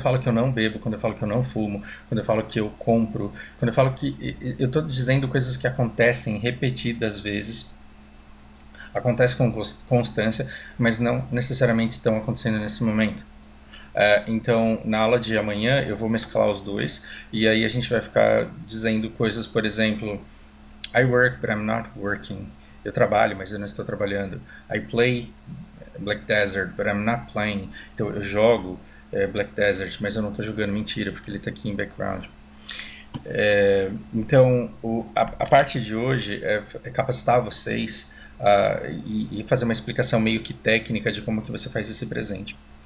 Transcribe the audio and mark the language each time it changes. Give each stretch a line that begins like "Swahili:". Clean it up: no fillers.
Portuguese: Quando eu falo que eu não bebo, quando eu falo que eu não fumo, quando eu falo que eu compro, quando eu falo que eu estou dizendo coisas que acontecem repetidas vezes, acontece com constância, mas não necessariamente estão acontecendo nesse momento. Então, na aula de amanhã, eu vou mesclar os dois, e aí a gente vai ficar dizendo coisas, por exemplo,
English: I work, but I'm not working.
Portuguese: Eu trabalho, mas eu não estou trabalhando.
English: I play Black Desert, but I'm not playing.
Portuguese: Então, eu jogo Black Desert, mas eu não estou jogando. Mentira, porque ele está aqui em background. Então, a parte de hoje é capacitar vocês e fazer uma explicação meio que técnica de como que você faz esse presente.